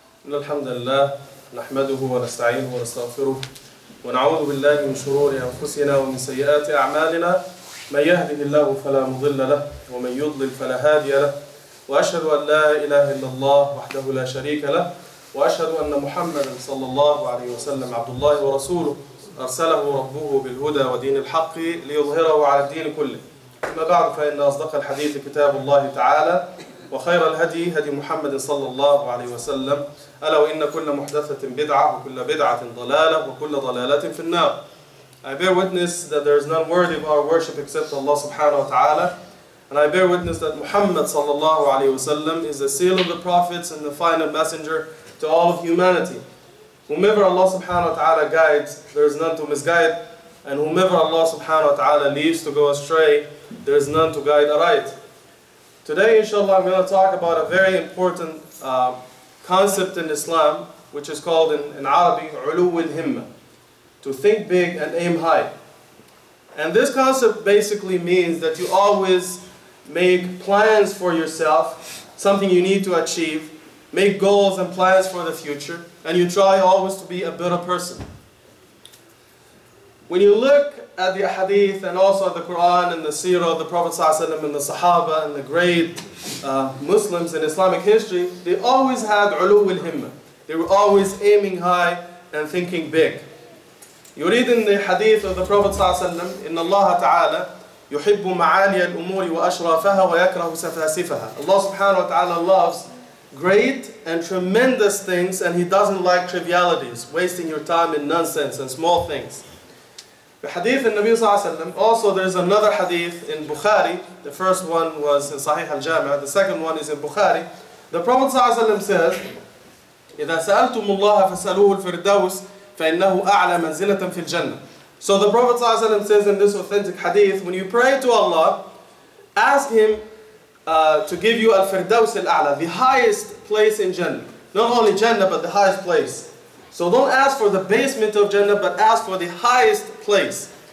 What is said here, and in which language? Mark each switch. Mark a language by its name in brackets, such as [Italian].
[Arabic] إن الحمد لله نحمده ونستعينه ونستغفره ونعوذ بالله من شرور أنفسنا ومن سيئات أعمالنا، من يهده الله فلا مضل له ومن يضلل فلا هادي له، وأشهد أن لا إله إلا الله وحده لا شريك له، وأشهد أن محمدا صلى الله عليه وسلم عبد الله ورسوله أرسله ربه بالهدى ودين الحق ليظهره على الدين كله. أما بعد، فإن أصدق الحديث كتاب الله تعالى وخير الهدي هدي محمد صلى الله عليه وسلم، ألا وإن كل محدثة بدعة وكل بدعة ضلالة وكل ضلالة في النار. [English] I bear witness that there is none worthy of our worship except Allah subhanahu wa ta'ala. And I bear witness that Muhammad [Arabic] صلى الله عليه وسلم [English] is the seal of the prophets and the final messenger to all of humanity. Whomever Allah subhanahu wa ta'ala guides, there is none to misguide. And whomever Allah subhanahu wa ta'ala leaves to go astray, there is none to guide aright. Today, inshallah, I'm going to talk about a very important concept in Islam, which is called in Arabic, ulu al-himma, to think big and aim high. And this concept basically means that you always make plans for yourself, something you need to achieve, make goals and plans for the future, and you try always to be a better person. When you look at the hadith and also the Quran and the seerah of the Prophet ﷺ and the Sahaba and the great Muslims in Islamic history, they always had ulu al-himma. They were always aiming high and thinking big. You read in the hadith of the Prophet ﷺ, [Arabic] إِنَّ اللَّهَ تَعَالَى يُحِبُّ مَعَالِيَ الْأُمُورِ وَأَشْرَافَهَا وَيَكْرَهُ سَفَاسِفَهَا. [English] Allah subhanahu wa ta'ala loves great and tremendous things, and He doesn't like trivialities, wasting your time in nonsense and small things. The hadith in Nabi [Arabic] صلى الله عليه وسلم, [English] also there is another hadith in Bukhari. The first one was in Sahih al-Jami'ah, the second one is in Bukhari. The Prophet [Arabic] صلى الله عليه وسلم [English] says, [Arabic] إِذَا سَأَلْتُمُ اللَّهَ فَسَأَلُوهُ الْفِرْدَوْسِ فَإِنَّهُ أَعْلَى مَنْزِلَةً فِي الْجَنَّةِ. [English] So the Prophet [Arabic] صلى الله عليه وسلم [English] says in this authentic hadith, when you pray to Allah, ask Him to give you al-Firdaws al-A'la, the highest place in Jannah. Not only Jannah, but the highest place. So don't ask for the basement of Jannah, but ask for the highest place.